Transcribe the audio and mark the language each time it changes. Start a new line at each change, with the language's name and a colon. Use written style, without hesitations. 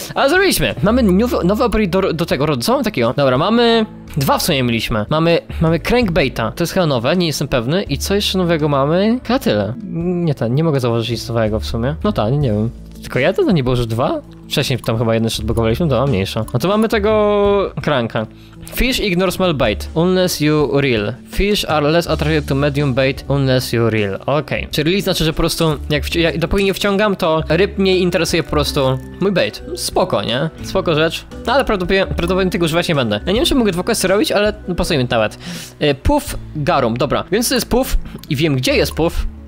Polish: Ale zrobiliśmy. Mamy nowy upgrade do tego, co mamy takiego? Dobra, mamy... Dwa w sumie mieliśmy. Mamy crankbaita. To jest chyba nowe, nie jestem pewny. I co jeszcze nowego mamy? Chyba tyle. Nie mogę zauważyć nic nowego w sumie. No tak, nie wiem. Tylko jeden, to nie było już dwa? Wcześniej tam chyba jeden odblokowaliśmy, to mniejsza. No to mamy tego kranka.
English: Fish ignore small bait, unless you reel. Fish are less attracted to medium bait, unless you reel.
Polish: Okej. Okay. Czyli znaczy, że po prostu, jak dopóki nie wciągam, to ryb mnie interesuje po prostu mój bait. Spoko, nie? Spoko rzecz. No ale prawdopodobnie tego używać nie będę. Ja nie wiem, czy mogę dwa questy robić, ale no, pasujmy nawet. Puff Garum, dobra. Więc to jest puff i wiem, gdzie jest puff.